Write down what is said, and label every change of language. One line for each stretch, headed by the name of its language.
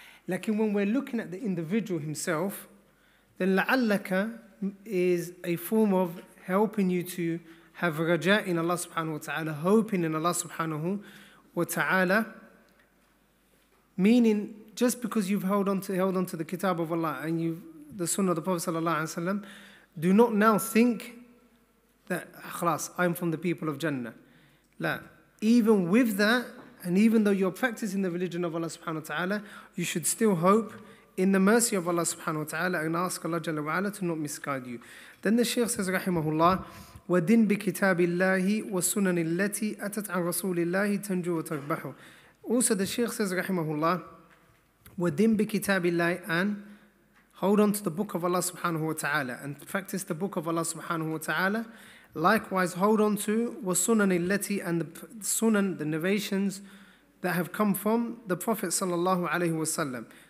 English: Like when we're looking at the individual himself, then la'allaka is a form of helping you to have raja in Allah subhanahu wa ta'ala, hoping in Allah subhanahu wa ta'ala, meaning just because you've held on to the kitab of Allah and you've the Sunnah of the Prophet sallallahu alaihi wasallam, do not now think that khalas, I'm from the people of Jannah. La, even with that, and even though you're practicing the religion of Allah subhanahu wa ta'ala, you should still hope in the mercy of Allah subhanahu wa ta'ala and ask Allah jalla wa ala to not misguide you. Then the Shaykh says, rahimahullah,
Arabic: وَدِنْ بِكِتَابِ اللَّهِ وَسُنَنِ الَّتِي أَتَتْ عَنْ رَسُولِ اللَّهِ تَنْجُو وَتَرْبَحُ.
English: Also the Shaykh says, rahimahullah,
Arabic: وَدِنْ بِكِتَابِ اللَّهِ أَنْ
English: hold on to the book of Allah subhanahu wa ta'ala and practice the book of Allah subhanahu wa ta'ala. Likewise, hold on to
Arabic: wa sunan illati
English: and the sunan, the narrations that have come from the Prophet sallallahu alayhi wa sallam.